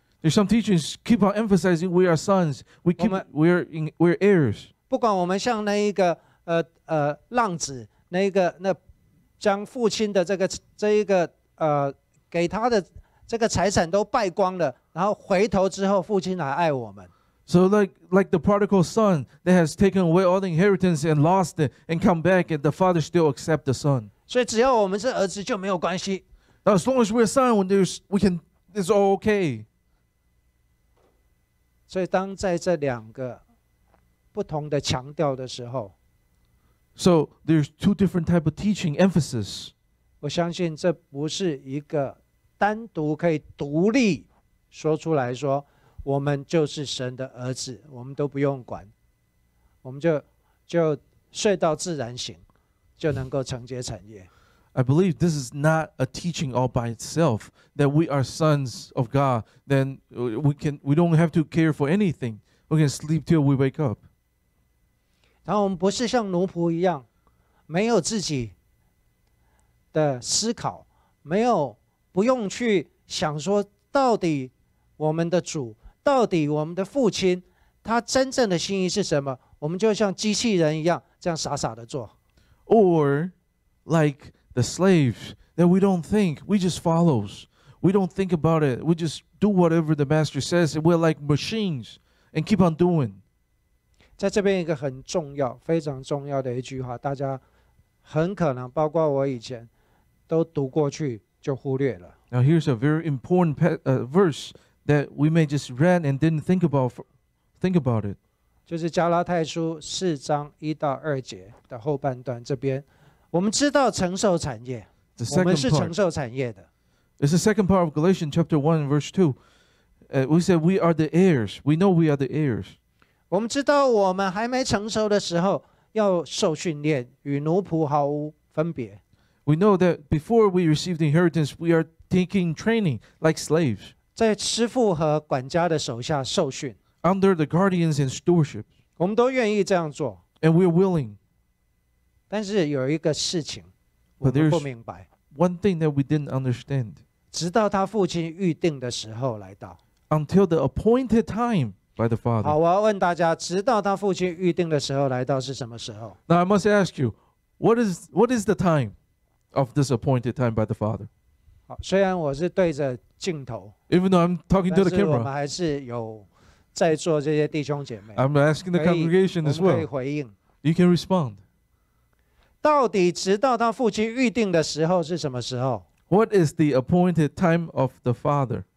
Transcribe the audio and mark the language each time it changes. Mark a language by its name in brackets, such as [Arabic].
[English] There's some teachings keep on emphasizing we are sons. We're heirs. [Chinese] 不管我们像那一个浪子，那一个那将父亲的这个这一个给他的这个财产都败光了，然后回头之后，父亲还爱我们。 [English] So like the prodigal son that has taken away all the inheritance and lost it and come back and the father still accept the son. [Chinese] 所以只要我们是儿子就没有关系。 [English] Now, as long as we're a son, it's all okay. [Chinese] 所以当在这两个不同的强调的时候。 [English] So there's two different types of teaching emphasis. [Chinese] 我相信这不是一个单独可以独立说出来说。我们就是神的儿子，我们都不用管，我们就睡到自然醒，就能够承接产业。 [English] I believe this is not a teaching all by itself that we are sons of God. Then we don't have to care for anything. We can sleep till we wake up. [Chinese] 然后我们不是像奴仆一样，没有自己的思考，没有不用去想说到底我们的主。到底我们的父亲他真正的心意是什么，我们就像机器人一样这样傻傻的做。 [English] Or like the slaves that we don't think, we just follow. We don't think about it, we just do whatever the master says, and we're like machines and keep on doing. [Chinese] 在这边一个很重要，非常重要的一句话，大家很可能包括我以前都读过去就忽略了。 [English] Now here's a very important verse that we may just read and didn't think about it. [Chinese] 就是加拉太书四章一到二节的后半段这边，我们知道承受产业，我们是承受产业的。 [English] It's the second part of Galatians chapter 1, verse 2. We said we are the heirs. We know we are the heirs. [Chinese] 我们知道我们还没成熟的时候要受训练，与奴仆毫无分别。 [English] We know that before we receive the inheritance, we are taking training like slaves. [Chinese] 在师父和管家的手下受训。 [English] Under the guardians and stewardship. [Chinese] 我们都愿意这样做。 [English] And we are willing. [Chinese] 但是有一个事情我们不明白。 [English] One thing that we didn't understand. [Chinese] 直到他父亲预定的时候来到。 [English] Until the appointed time by the father. [Chinese] 好，我要问大家，直到他父亲预定的时候来到是什么时候？ [English] Now I must ask you, what is the time of this appointed time by the father? [Chinese] 好，虽然我是对着镜头。 [English] Even though I'm talking to the camera. [Chinese] 但是我们还是有在座这些弟兄姐妹。 [English] I'm asking the congregation as well. [Chinese] 可以回应。 [English] You can respond. [Chinese] 到底直到他父亲预定的时候是什么时候？ [English] What is the appointed time of the father?